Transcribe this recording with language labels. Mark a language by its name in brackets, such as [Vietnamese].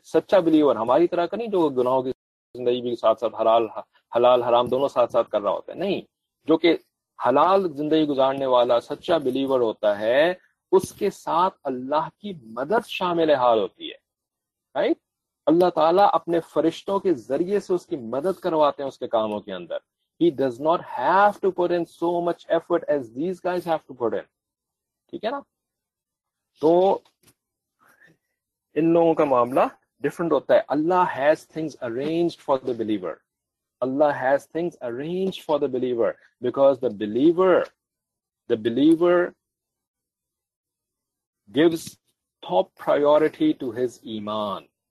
[Urdu] سچا believer, ہماری طرح کا نہیں جو گناہوں کی زندگی بھی ساتھ ساتھ حلال حرام دونوں ساتھ ساتھ کر رہا ہوتا ہے, نہیں, جو کہ حلال زندگی گزارنے والا سچا believer ہوتا ہے, اس کے ساتھ اللہ کی مدد شامل حال ہوتی ہے, right? اللہ تعالیٰ اپنے فرشتوں کے ذریعے سے اس کی مدد کرواتے ہیں اس کے کاموں کے اندر. [English] He does not have to put in so much effort as these guys have to put in. [Urdu] ٹھیک ہے نا, تو ان لوگوں کا معاملہ ڈفرنٹ ہوتا ہے. [English] Allah has things arranged for the believer. Allah has things arranged for the believer because the believer gives top priority to his iman.